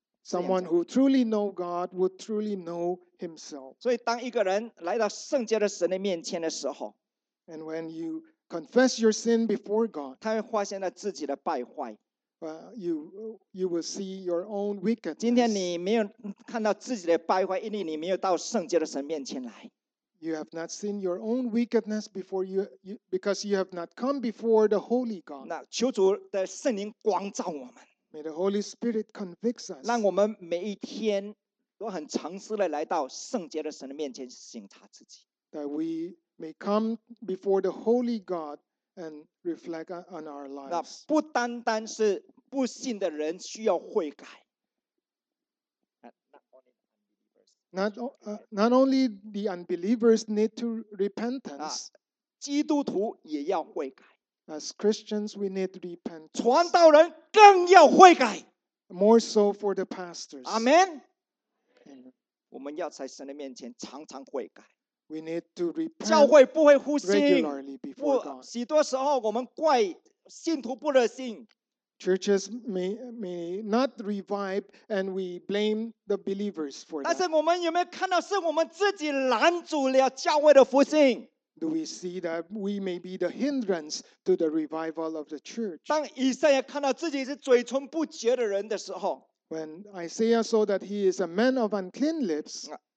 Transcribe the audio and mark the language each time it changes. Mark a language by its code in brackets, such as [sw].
[en] Someone who truly know God would truly know himself. [zh] 所以当一个人来到圣洁的神的面前的时候, [en] and when you confess your sin before God, [zh] 他会发现到自己的败坏。 [en] You will see your own wickedness. [zh] 今天你没有看到自己的败坏, 因为你没有到圣洁的神面前来。 [en] You have not seen your own wickedness before because you have not come before the Holy God. [zh] 那求主的圣灵光照我们。 [en] May the Holy Spirit convict us. [zh] 让我们每一天都很诚实地来到圣洁的神的面前审查自己。 [en] That we may come before the Holy God and reflect on our lives. [zh] 那不单单是不信的人需要悔改。 [en] Not only the unbelievers need to repentance. [zh] 基督徒也要悔改。 [en] As Christians, we need to repent. [zh] 传道人更要悔改。 [en] More so for the pastors. Amen. [zh] 我们要在神的面前常常悔改。 [en] We need to repent. [zh] 教会不会忽心。 [en] Regularly before God. [zh] 许多时候我们怪信徒不热心。 [en] Churches may not revive, and we blame the believers for that. [zh] 但是我们有没有看到是我们自己拦阻了教会的复兴？ [en] Do we see that we may be the hindrance to the revival of the church? [zh] 当以赛亚看到自己是嘴唇不洁的人的时候, [en] when Isaiah saw that he is a man of unclean lips,